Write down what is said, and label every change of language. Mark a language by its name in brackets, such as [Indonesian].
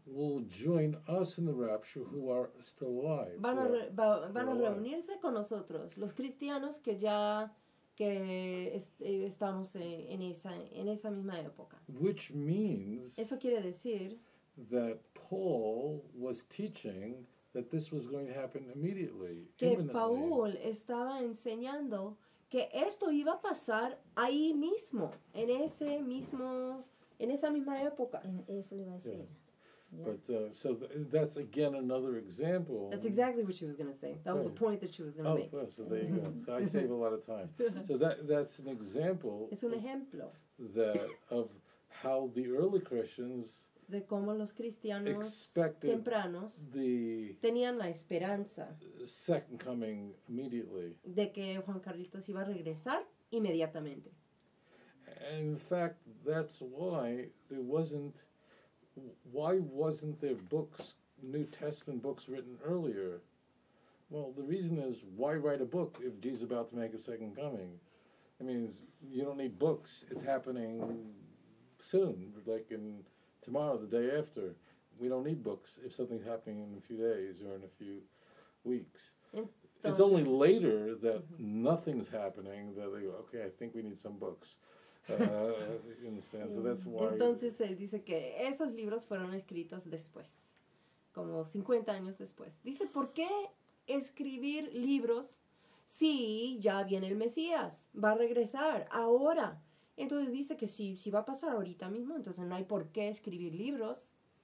[English] will join us in the rapture who are still alive. [Spanish] Van a reunirse con nosotros, los cristianos que ya que estamos en esa misma época. [English] Which means, [Spanish] eso quiere decir, [English] that Paul was teaching that this was going to happen immediately. [Spanish] Que Paul estaba enseñando que esto iba a pasar ahí mismo, en ese mismo, en esa misma época. Eso le iba a decir. [English] Yeah. Yeah. But that's again another example. That's exactly what she was going to say. That was the point that she was going to make. Oh, well, so there you go. So I save a lot of time. So that's an example. [Spanish] Es un ejemplo. [English] Of how the early Christians. [Spanish] De cómo los cristianos tempranos tenían la esperanza [English] second coming immediately. [Spanish] De que Juan Carlitos iba a regresar inmediatamente. [English] And in fact, that's why there wasn't, why wasn't there books, New Testament books written earlier? Well, the reason is, why write a book if Jesus is about to make a second coming? I mean, you don't need books. It's happening soon, like in tomorrow, the day after. We don't need books if something's happening in a few days or in a few weeks. [Spanish] Entonces, [English] it's only later that mm-hmm. nothing's happening that they go, okay, I think we need some books. you understand? So that's why. [Spanish] Entonces él dice que esos libros fueron escritos después, como 50 años después. Dice, ¿por qué escribir libros si ya viene el Mesías? Va a regresar ahora. Entonces dice que si va a pasar ahorita mismo, entonces no hay por qué escribir libros.